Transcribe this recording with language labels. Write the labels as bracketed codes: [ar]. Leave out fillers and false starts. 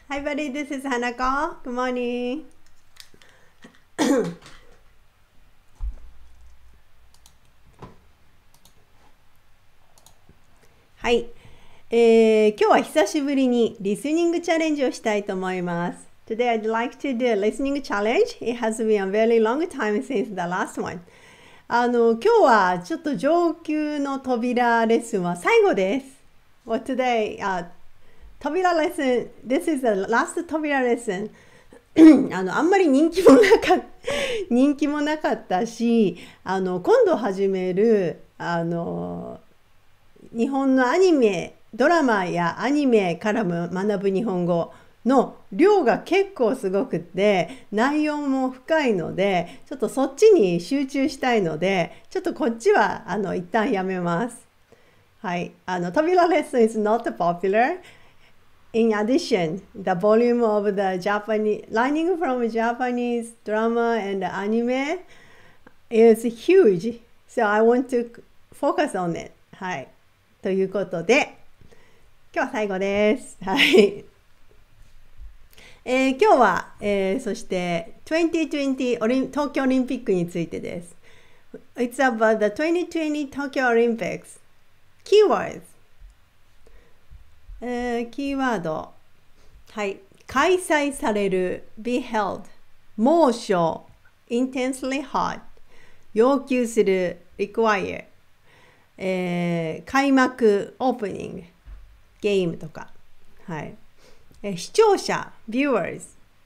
[en] Hi, buddy, this is Hanako. Good morning. [ja] い、今日は久しぶりにリスニングチャレンジをしたいと思います。 [en] Today, I'd like to do a listening challenge. It has been a very long time since the last one. [ja] 今日はちょっと上級の扉レッスンは最後です。 [en] Well, today, 扉レッスン、This is the last 扉レッスン。 [ja] あんまり人気もなかったし、今度始める、日本のアニメ、ドラマやアニメからも学ぶ日本語の量が結構すごくて、内容も深いので、ちょっとそっちに集中したいので、ちょっとこっちは、一旦やめます。 [en] はい、扉レッスン is not popular. In addition, the volume of the Japanese learning from Japanese drama and anime is huge, so I want to focus on it. [ja] はい、ということで、今日は最後です。はい、今日は、そして2020東京オリンピックについてです。 [en] It's about the 2020 Tokyo Olympics. キーワード、キーワード、はい、開催される、 be held、 猛暑、 intensely hot、 要求する、 require、 開幕、 opening、 ゲームとか、はい、視聴者、 viewers、